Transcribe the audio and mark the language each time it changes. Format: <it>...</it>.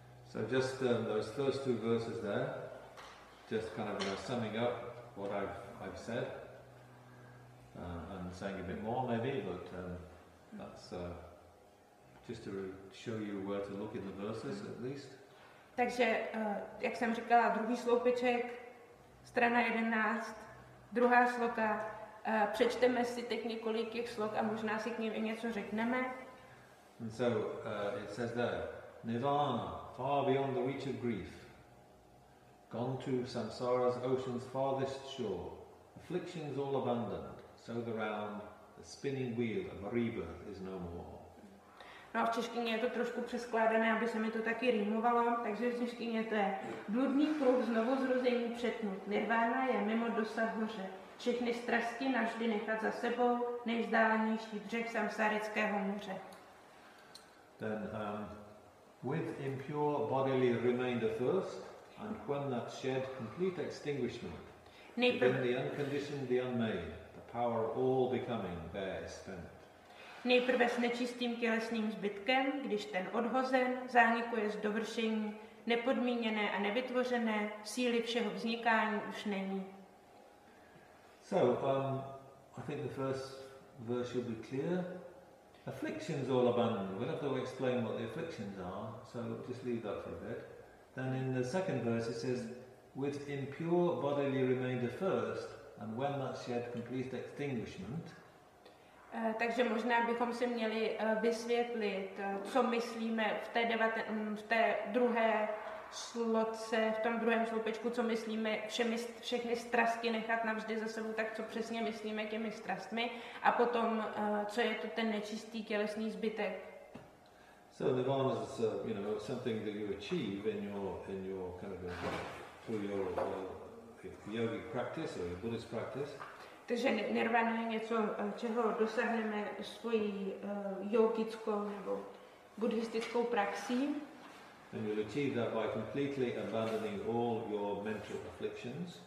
<en>So just those first two verses there, just kind of summing up what I've said and saying a bit more maybe, but that's. Just to show you where to look in the verses, at least.</en> <cs>Takže, jak jsem říkala, druhý sloupeček, strana 11, druhá sloka. Přečteme si teď několik těch slok a možná si k ním i něco řekneme.</cs> <en>And so it says there, Nirvana, far beyond the reach of grief, gone to Samsara's ocean's farthest shore, afflictions all abandoned, so the round, the spinning wheel of rebirth is no more.</en> <cs>No a v češtině je to trošku přeskládané, aby se mi to taky rýmovalo, takže v češtině to je bludný kruh znovuzrození přetnut. Nirvana je mimo dosah hoře. Všechny strasti navždy nechat za sebou, nejvzdálenější břeh samsarického moře.</cs> <en>Then, with impure bodily remainder first, and when that shed complete extinguishment, then the unconditioned, the unmade, the power of all becoming bare spent.</en> <cs>Nejprve s nečistým tělesným zbytkem, když ten odhozen, zánikuje z dovršení, nepodmíněné a nevytvořené, síly všeho vznikání už není.</cs> <en>So, I think the first verse should be clear. Afflictions all abandoned. We don't have to explain what the afflictions are, so just leave that for a bit. Then in the second verse it says, with impure bodily remainder first, and when that shed complete extinguishment,</en> <cs>takže možná bychom si měli vysvětlit, co myslíme v té, v té druhé sloce, v tom druhém sloupečku, co myslíme všechny strasti nechat navždy za sebou, tak co přesně myslíme těmi strastmi, a potom, co je to ten nečistý tělesný zbytek.</cs> <en>So the one is, you know, something that you achieve in your kind of through your yogic practice or your Buddhist practice.</en> <cs>Takže nirvana je něco, čeho dosáhneme svojí jogickou nebo buddhistickou praxí.</cs> <en>And you'll achieve that by completely abandoning all your mental afflictions.</en>